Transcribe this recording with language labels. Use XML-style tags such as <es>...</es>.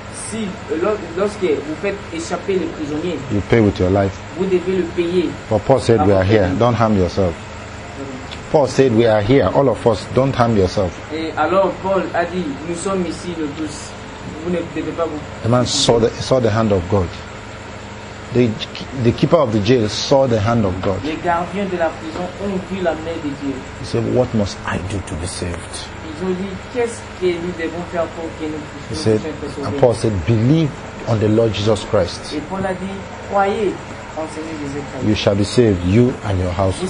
<fr>si lorsque vous faites échapper les prisonniers,</fr> <en>you pay with your life.</en> <fr>Vous devez le payer.</fr> <en>But Paul said, "We are here. Don't harm yourself." Paul said, "We are here. All of us. Don't harm yourself."</en> <fr>Et alors Paul a dit, "Nous sommes ici, nous tous. Vous ne devez pas vous."</fr> <en>The man saw the hand of God. The keeper of the jail saw the hand of God.</en> <fr>Les gardiens de la prison ont vu la main de Dieu.</fr> <en>He said, "What must I do to be saved?"</en> <fr>Ils ont dit, qu'est-ce que nous devons faire pour que nous puissions être sauvés?</fr> <en>He said, and Paul said, "Believe on the Lord Jesus Christ."</en> <fr>Et Paul a dit, croyez en Seigneur Jésus-Christ.</fr> <en>You shall be saved, you and your household.</en>